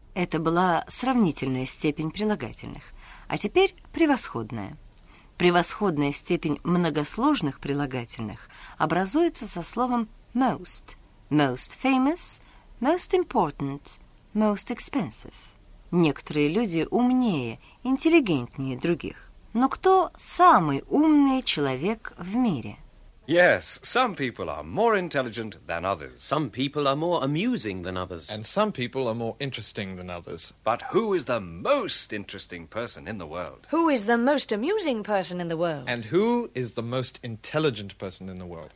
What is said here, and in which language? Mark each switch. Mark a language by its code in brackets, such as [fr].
[ru] Это была сравнительная степень прилагательных, а теперь превосходная. Превосходная степень многосложных прилагательных образуется со словом most, [en] most famous, most important, most expensive. [ru] Некоторые люди умнее, интеллигентнее других. Но кто самый умный человек в мире? [en] Yes, some people are more intelligent than others. Some people are more amusing than others. And some people are more interesting than others. But who is the most interesting person in the world? Who is the most amusing person in the world? And who is the most intelligent person in the world?